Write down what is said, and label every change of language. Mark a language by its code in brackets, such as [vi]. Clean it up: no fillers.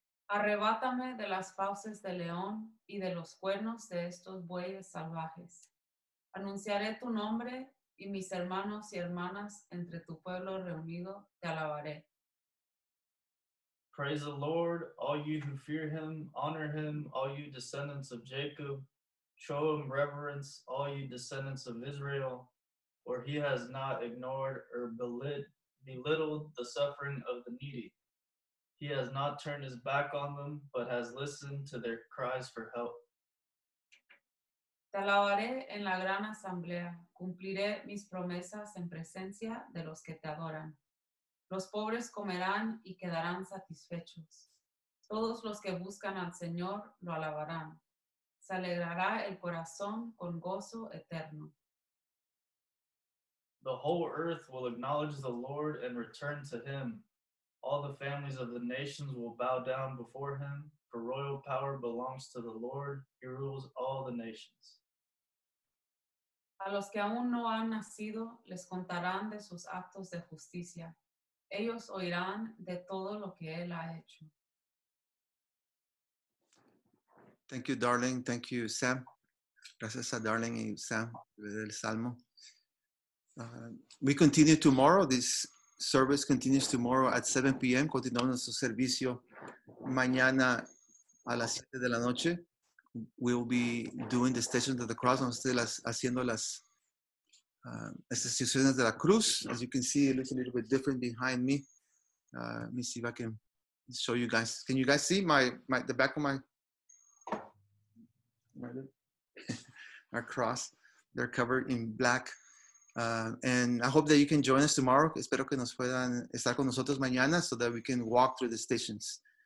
[es] Arrebátame de las fauces del león y de los cuernos de estos bueyes salvajes. Anunciaré tu nombre y mis hermanos y hermanas entre tu pueblo reunido, te alabaré. [en] Praise the Lord, all you who fear him, honor him, all you descendants of Jacob. Show him reverence, all you descendants of Israel, for he has not ignored or belittled the suffering of the needy. He has not turned his back on them, but has listened to their cries for help. [es] Te alabaré en la gran asamblea. Cumpliré mis promesas en presencia de los que te adoran. Los pobres comerán y quedarán satisfechos. Todos los que buscan al Señor lo alabarán. Se alegrará el corazón con gozo eterno. [en] The whole earth will acknowledge the Lord and return to him. All the families of the nations will bow down before him, for royal power belongs to the Lord. He rules all the nations. [es] A los que aún no han nacido, les contarán de sus actos de justicia. Ellos oirán de todo lo que él ha hecho. [en] Thank you, darling. Thank you, Sam. [es] Gracias a darling y Sam, del Salmo. [en] We continue tomorrow. This service continues tomorrow at 7 p.m. [es] Continuamos nuestro servicio mañana a las 7 de la noche. [en] We'll be doing the Stations of the Cross. [es] Vamos a estar haciendo las Estaciones de la Cruz. [en] As you can see, it looks a little bit different behind me. Let me see if I can show you guys. Can you guys see the back of our cross? They're covered in black. And I hope that you can join us tomorrow. [es] Espero que nos puedan estar con nosotros mañana [en] so that we can walk through the stations.